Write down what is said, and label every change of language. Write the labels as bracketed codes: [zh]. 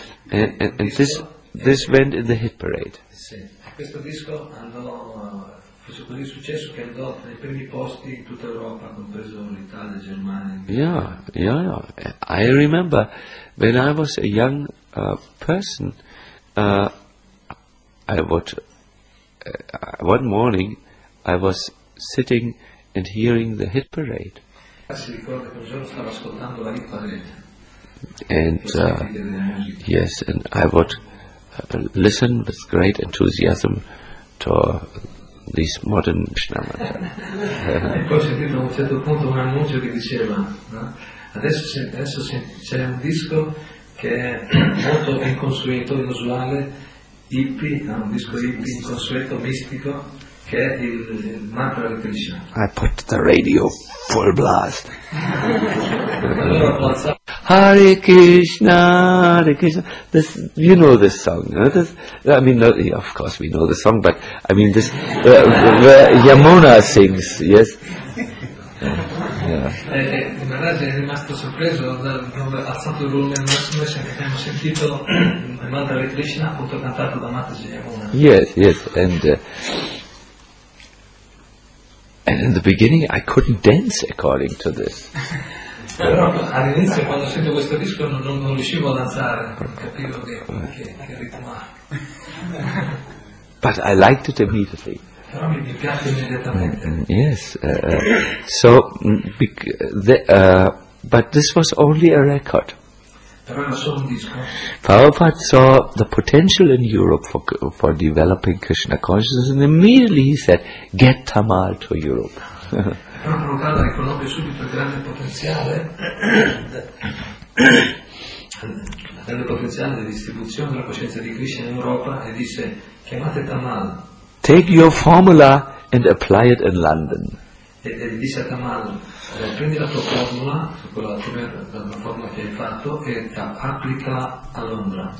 [en] And this went in the hit parade. [it] Questo disco andò, fece così successo che andò nei primi posti in tutta Europa, compreso l'Italia, Germania. [en] Yeah. I remember when I was a young person, one morning I was sitting and hearing the hit parade. [it] Si ricorda che un giorno stavo ascoltando la hit parade. [en] And yes, and I would listen with great enthusiasm to these modern Vishnamantra. [it] E poi sentito a un certo punto un annuncio che diceva, adesso c'è un disco che è molto inconsueto, inusuale, hippie, un disco hippie, inconsueto, mistico, che è il mantra di Krishna. [en] I put the radio full blast. Hare Krishna, this, you know this song, no? This, I mean, no, yeah, of course we know the song, but I mean this, where Yamuna sings, yes? [it] Maharaj è rimasto sorpreso, ha alzato il volume al massimo, e abbiamo sentito il mantra di Krishna appunto cantato da Mataji Yamuna. [en] Yes, and in the beginning I couldn't dance according to this. [it] Però all'inizio quando sento questo disco non riuscivo a danzare, non capivo che ritmo ha. [en] But I liked it immediately. [it] Però mi piace immediatamente. [en] Yes. But this was only a record. [it] Però era solo un disco. [en] Prabhupada saw the potential in Europe for developing Krishna consciousness, and immediately he said, "Get Tamal to Europe." [it] Prabhupada riconobbe subito il grande potenziale di distribuzione della coscienza di Krishna in Europa e disse: chiamate Tamal. [en] Take your formula and apply it in London. [it] E disse a Tamal: prendi la tua formula, la formula che hai fatto, e applica a Londra.